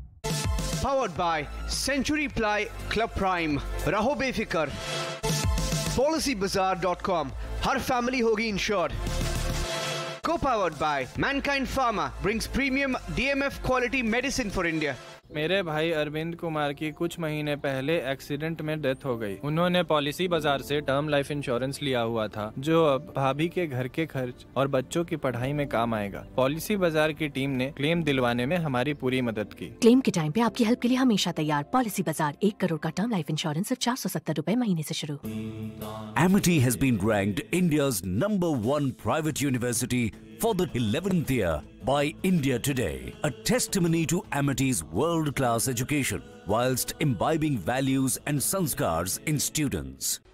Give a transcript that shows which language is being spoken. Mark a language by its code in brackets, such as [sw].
[en] Powered by Century Ply Club Prime. [hi] Raho Befikar. [en] PolicyBazaar.com. Her family [hi] hogi [en] insured. Co-powered by Mankind Pharma. Brings premium DMF quality medicine for India. [hi] मेरे भाई अरविंद कुमार की कुछ महीने पहले accident में death हो गई। उन्होंने पॉलिसी बाजार से टर्म लाइफ इंश्योरेंस लिया हुआ था, जो अब भाभी के घर के खर्च और बच्चों की पढ़ाई में काम आएगा। पॉलिसी बाजार की टीम ने क्लेम दिलवाने में हमारी पूरी मदद की। क्लेम के टाइम पे आपकी हेल्प के लिए हमेशा तैयार। पॉलिसी बाजार, 1 करोड़ का टर्म लाइफ इंश्योरेंस सिर्फ 470 रुपए महीने से शुरू। [en] Amity has been ranked India's number 1 private university for the 11th year by India Today, a testimony to Amity's world-class education whilst imbibing values and sanskars in students.